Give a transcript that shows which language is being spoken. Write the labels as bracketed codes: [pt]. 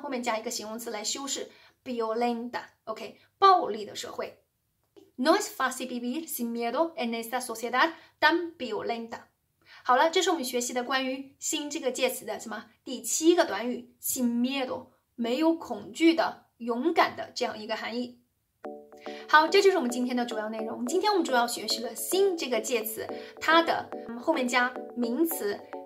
[zh] 后面加一个形容词来修饰 ，violenta， OK， 暴力的社会。 [es] No es fácil vivir sin miedo en esta sociedad tan violenta。 [zh] 好了，这是我们学习的关于sin这个介词的什么第七个短语 sin miedo， 没有恐惧的、勇敢的这样一个含义。好，这就是我们今天的主要内容。今天我们主要学习了sin这个介词，它的后面加名词。